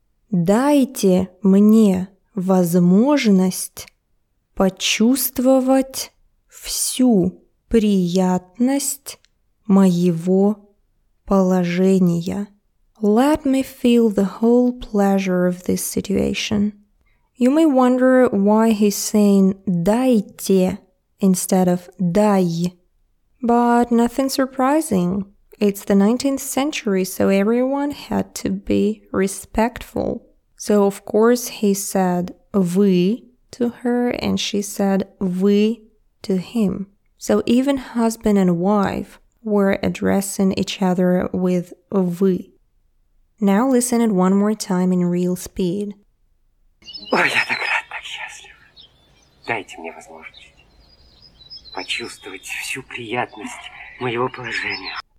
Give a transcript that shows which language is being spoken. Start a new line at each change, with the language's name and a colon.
Russian: Дайте мне возможность почувствовать всю приятность моего положения.
English: Let me feel the whole pleasure of this situation. You may wonder why he's saying дайте instead of дай. But nothing surprising. It's the 19th century, so everyone had to be respectful. So, of course, he said вы to her and she said вы to him. So even husband and wife were addressing each other with вы. Now listen it one more time in real speed.
Russian: Ой, я так рад, так счастлив. Дайте мне возможность почувствовать всю приятность моего положения.